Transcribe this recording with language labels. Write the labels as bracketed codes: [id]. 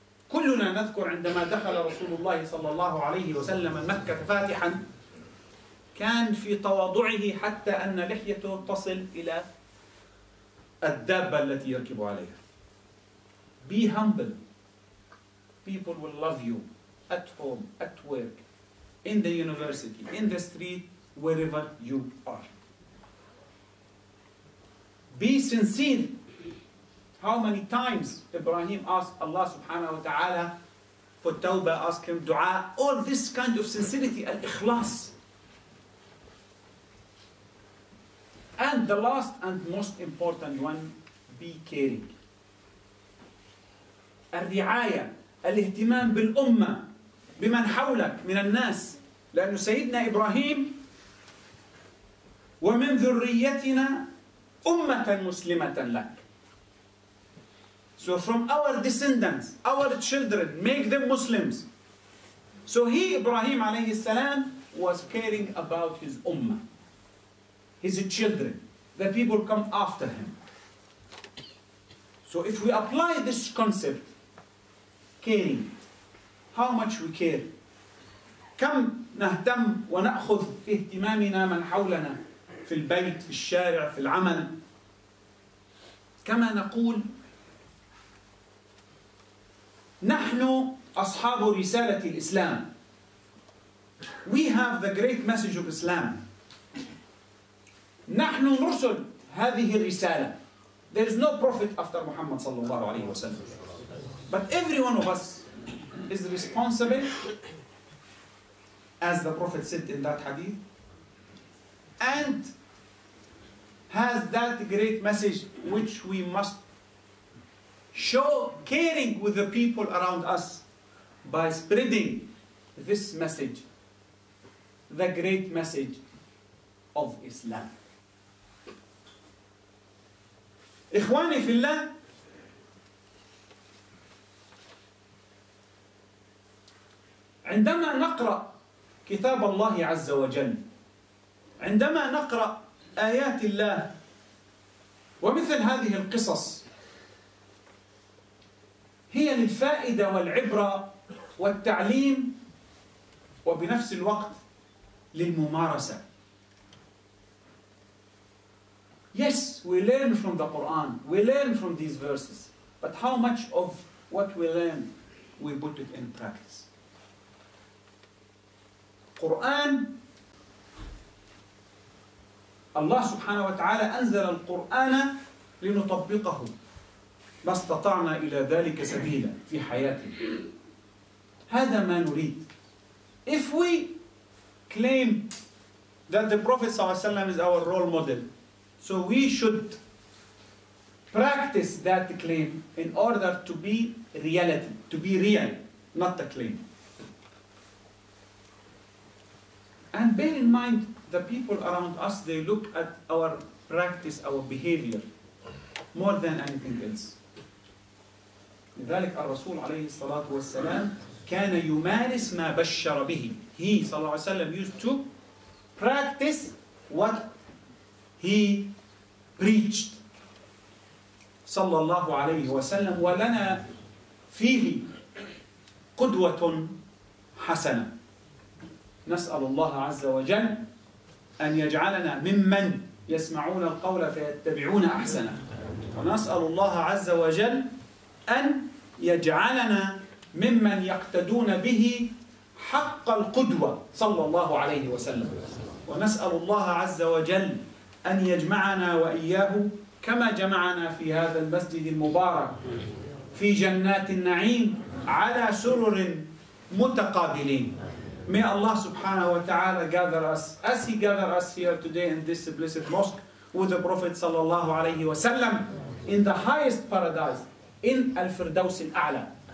[ar] كلنا نذكر عندما دخل رسول الله صلى الله عليه وسلم مكة فاتحا كان في تواضعه حتى أن لحيته تصل إلى الدابة التي يركب عليها. [en] Be humble. People will love you at home, at work, in the university, in the street, wherever you are. Be sincere. How many times Ibrahim asked Allah subhanahu wa ta'ala for tawbah, ask him dua, all this kind of sincerity, al-ikhlas. And the last and most important one, be caring. [ar] Al-ri'aya, al-ihtimam bil-umma, biman hawlak, minan nas. لأن سيدنا إبراهيم ومن ذريتنا أمة مسلمة لك. [en] So from our descendants, our children, make them Muslims. So he, Ibrahim alayhi salam, was caring about his ummah, his children, the people come after him. So if we apply this concept, caring, how much we care? [ar] كم نهتم ونأخذ في اهتمامنا من حولنا في البيت في الشارع في العمل كما نقول نحن أصحاب رسالة الإسلام. [en] We have the great message of Islam. [ar] نحن نرسل هذه الرسالة. [en] There is no prophet after Muhammad sallallahu alayhi wa sallam. But every one of us is responsible, as the Prophet said in that hadith, and has that great message which we must show caring with the people around us by spreading this message, the great message of Islam. [ar] إخواني في الله عندما نقرأ كتاب الله عز وجل عندما نقرأ آيات الله ومثل هذه القصص هي للفائدة والعبرة والتعليم وبنفس الوقت للممارسة. [en] Yes, we learn from the Quran, we learn from these verses, but how much of what we learn, we put it in practice. [ar] Quran, Allah subhanahu wa ta'ala أنزل القرآن لنطبقه ما استطعنا إلى ذلك سبيلا في حياتنا. هذا ما نريد. [en] If we claim that the Prophet صلى الله عليه وسلم is our role model, so we should practice that claim in order to be reality, to be real, not the claim. And bear in mind, the people around us, they look at our practice, our behavior, more than anything else. [ar] لذلك الرسول عليه الصلاة والسلام كان يمارس ما بشر به. [en] He, صلى الله عليه وسلم, used to practice what he preached. [ar] صلى الله عليه وسلم ولنا فيه قدوة حسنة. نسأل الله عز وجل أن يجعلنا ممن يسمعون القول فيتبعون أحسنه. ونسأل الله عز وجل أن يجعلنا ممن يقتدون به حق القدوة صلى الله عليه وسلم. ونسأل الله عز وجل أن يجمعنا وإياه كما جمعنا في هذا المسجد المبارك في جنات النعيم على سرر متقابلين. [en] May Allah subhanahu wa ta'ala gather us as He gathered us here today in this blessed mosque with the Prophet sallallahu alayhi wa sallam in the highest paradise in Al-Firdaus al-A'la.